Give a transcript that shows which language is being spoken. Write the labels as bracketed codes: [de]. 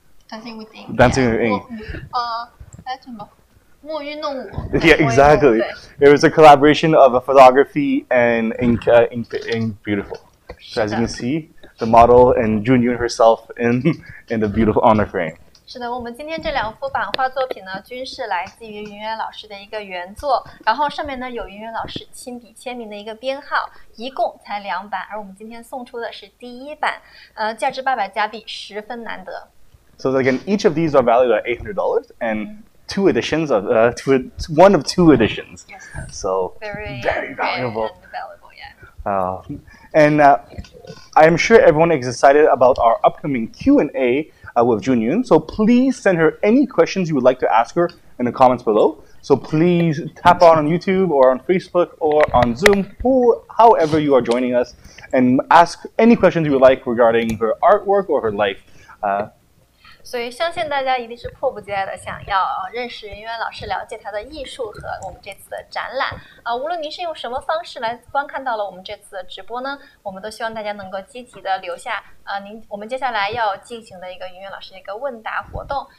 [en] Dancing with Ink. Dancing with Ink. That's [zh] 什么？墨晕弄我。 [en] Yeah, exactly. It was a collaboration of a photography and ink, ink beautiful. So as you can see, the model and Junyun herself in the beautiful on the frame. [zh] 是的，我们今天这两幅版画作品呢，均是来自于云远老师的一个原作，然后上面呢有云远老师亲笔签名的一个编号，一共才两版，而我们今天送出的是第一版，价值800加币，十分难得。 [en] So again, each of these are valued at $800, and two editions of one of two editions. Yes. So very valuable. I am sure everyone is excited about our upcoming Q&A. With Junyun, so please send her any questions you would like to ask her in the comments below. So please tap on YouTube or on Facebook or on Zoom, however you are joining us, and ask any questions you would like regarding her artwork or her life. [zh] So, 相信大家一定是迫不及待的想要认识云远老师，了解他的艺术和我们这次的展览。无论您是用什么方式来观看到了我们这次的直播呢，我们都希望大家能够积极的留下我们接下来要进行的一个云远老师的一个问答活动。